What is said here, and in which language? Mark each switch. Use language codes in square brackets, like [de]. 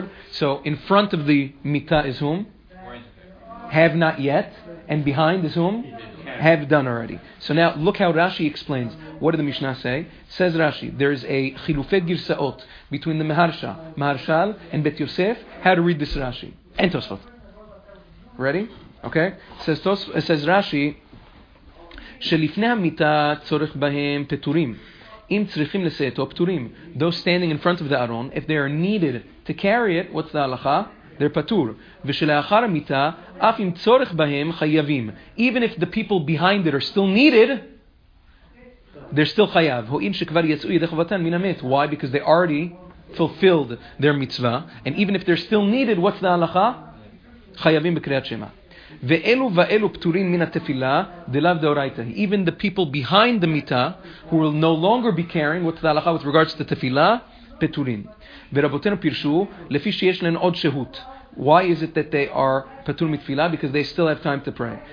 [en] So in front of the mita is whom? Have not yet. And behind is whom? Have done already. So now look how Rashi explains. What did the Mishnah say? Says Rashi, there is a chilufei girsaot between the Maharsha, Maharshal and Bet Yosef. How to read this Rashi? And Tosfot. Ready? Okay. [he] Says Rashi, שלפני המיטה צורך בהם פטורים. אם צריכים לסייתו, פטורים. [en] Those standing in front of the Aron, if they are needed to carry it, what's the הלכה? They're פטור. [he] ושלאחר המיטה, אף אם צורך בהם חייבים. [en] Even if the people behind it are still needed, they're still חייב. [he] הואים שכבר יצאו ידי חובתן מן המת. [en] Why? Because they already fulfilled their mitzvah. And even if they're still needed, what's the הלכה? [he] חייבים בקריאת שמה. ואלו ואלו פטורים מן התפילה דלאו דאורייתא. [en] Even the people behind the mita who will no longer be caring what's the halacha with regards to tefila, פטורים. [he] ורבותינו פירשו לפי שיש להן עוד שהות. [en] Why is it that they are פטור מתפילה? Because they still have time to pray.